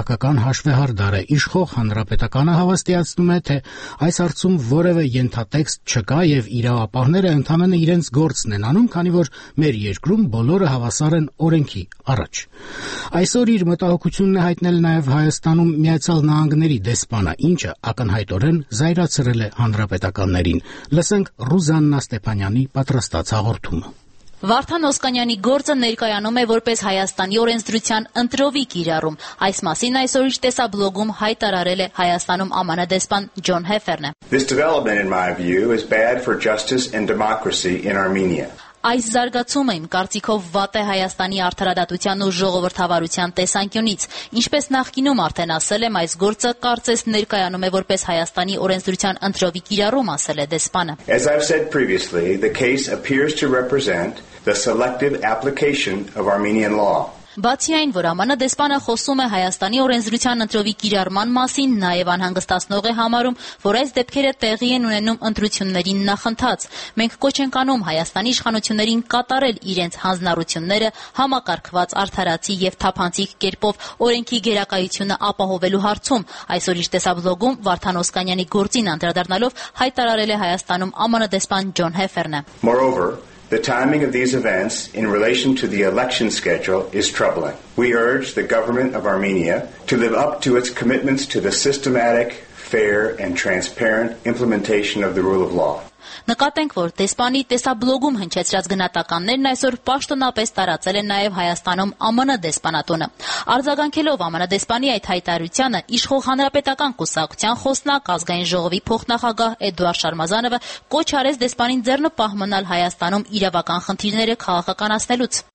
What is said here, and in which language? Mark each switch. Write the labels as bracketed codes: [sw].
[hy] քաղաքական հաշվեհարդար է։ Իշխող հանրապետականը հավաստիացնում է, թե այս հարցում որևէ ենթատեքստ չկա եւ իրավապահները ընդամենը իրենց գործն են անում, քանի որ մեր երկրում բոլորը հավասար են օրենքի առաջ։ Այսօր իր մտահոգությունն է հայտնել նաեւ Հայաստանում Միացյալ Նահանգների դեսպանը, ինչը ակնհայտորեն զայրացրել է հանրապետականներին։ Լսենք Ռուզաննա Ստեփանյանի պատրաստած հաղորդումը։ Վարդան Օսկանյանի գործը ներկայանում է որպես Հայաստանի օրենսդրության ընտրովի կիրառում։ Այս մասին այսօր իր տեսաբլոգում հայտարարել է Հայաստանում ԱՄՆ դեսպան Ջոն Հեֆերնը։ [en] This development in my view is bad for justice and democracy in Armenia. [hy] Այս զարգացումը իմ կարծիքով վատ է Հայաստանի արդարադատության ու ժողովրդավարության տեսանկյունից։ Ինչպես նախկինում արդեն ասել եմ, այս գործը կարծես ներկայանում է որպես Հայաստանի օրենսդրության ընտրովի կիրառում, ասել է դեսպանը։ [en] As I've said previously, the case appears to represent the selective application of Armenian law. [hy] Բացի այն, որ ԱՄՆ դեսպանը խոսում է Հայաստանի օրենսդրության ընտրովի կիրառման մասին, նաև անհանգստացնող է համարում, որ այս դեպքերը տեղի են ունենում ընտրություններին նախընթաց։ Մենք կոչ ենք անում Հայաստանի իշխանություններին կատարել իրենց հանձնառությունները համակարգված արդարացի և թափանցիկ կերպով օրենքի գերակայությունը ապահովելու հարցում։ Այսօր իր տեսաբլոգում Վարդան Օսկանյանի գործին անդրադառնալով հայտարարել է Հայաստանում ԱՄՆ դեսպան Ջոն Հեֆերնը։ [en] The timing of these events in relation to the election schedule is troubling. We urge the government of Armenia to live up to its commitments to the systematic, fair, and transparent implementation of the rule of law. [hy] Նկատենք, որ դեսպանի տեսաբլոգում հնչեցրած գնահատականներն այսօր պաշտոնապես տարածել են նաև Հայաստանում ԱՄՆ դեսպանատունը։ Արձագանքելով ԱՄՆ դեսպանի այդ հայտարարությանը, իշխող հանրապետական կուսակցության խոսնակ ազգային ժողովի փոխնախագահ Էդուարդ Շարմազանովը կոչ արեց դեսպանին ձեռնպահ մնալ Հայաստանում իրավական խնդիրները քաղաքականացնելուց։